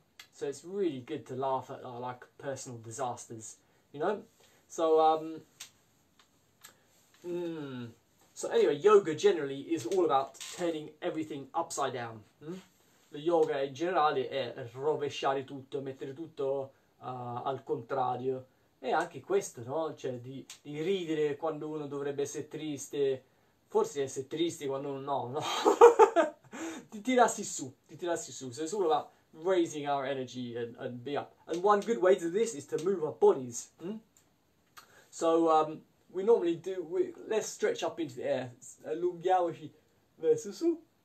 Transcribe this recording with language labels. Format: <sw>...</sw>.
<en>So it's really good to laugh at our, like, personal disasters, you know? So anyway, yoga generally is all about turning everything upside down.</en> <it>Lo yoga in generale è rovesciare tutto, mettere tutto al contrario. E anche questo, no? Cioè di ridere quando uno dovrebbe essere triste, forse essere triste quando uno no, no? Ti tirassi su.</it> <en>So it's all about raising our energy and be up. And one good way to do this is to move our bodies. So we normally do, let's stretch up into the air.</en> <it>Allunghiamoci verso su.</it>